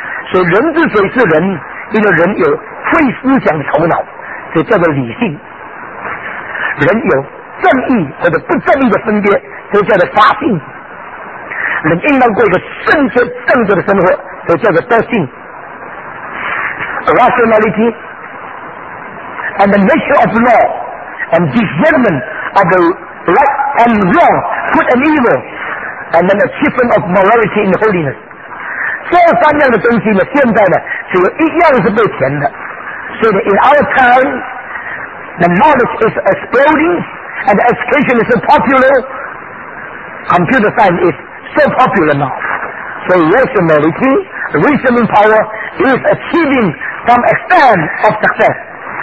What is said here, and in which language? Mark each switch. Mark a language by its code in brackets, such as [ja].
[zh] 所以人之所以是人，因为人有会思想的头脑，所以叫做理性。人有正义或者不正义的分别，所以叫做发性。人应当过一个圣洁正直的生活，所以叫做德性。 [en] Rationality and the nature of law and discernment of the right and wrong, good and evil, and then achievement of morality and holiness。 [zh] 这三样的东西呢，现在呢，只有一样是被填的。 [en] 所以 ，in our time, the knowledge is exploding, and education is so popular. Computer science is so popular now. So rationality, reasoning power is achieving some extent of success.